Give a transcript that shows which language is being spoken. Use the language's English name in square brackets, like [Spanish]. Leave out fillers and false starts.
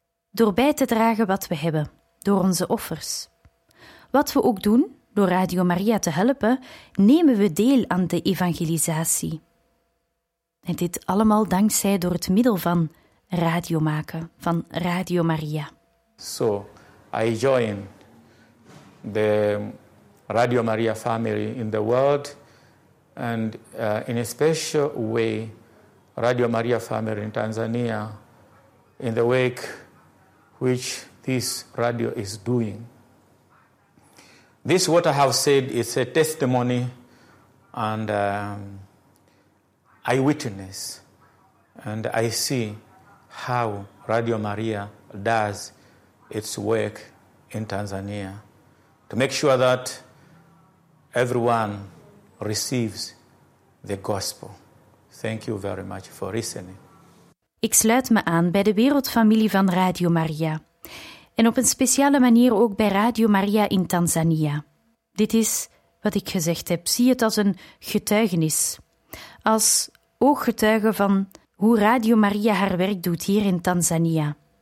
[Dutch] Door bij te dragen wat we hebben, door onze offers. Wat we ook doen, door Radio Maria te helpen, nemen we deel aan de evangelisatie. En dit allemaal dankzij door het middel van radio maken, van Radio Maria. [English] So, I join the Radio Maria family in the world, and in a special way, Radio Maria family in Tanzania, in the work which this radio is doing. This, what I have said, is a testimony, and I witness, and I see how Radio Maria does its work in Tanzania to make sure that everyone receives the gospel. Thank you very much for listening. [Dutch] Ik sluit me aan bij de wereldfamilie van Radio Maria. En op een speciale manier ook bij Radio Maria in Tanzania. Dit is wat ik gezegd heb. Zie het als een getuigenis. Als ooggetuige van hoe Radio Maria haar werk doet hier in Tanzania.